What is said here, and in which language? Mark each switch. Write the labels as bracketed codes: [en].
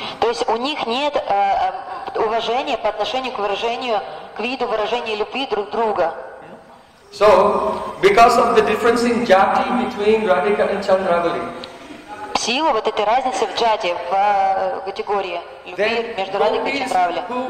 [ru] То есть у них нет уважения по отношению к выражению, к виду выражения любви друг друга. [en] So, because of the difference in jati between Radhika and Chandravali, [ru] силу вот этой разницы в джати, в категории любви между Радикой и Чандравали.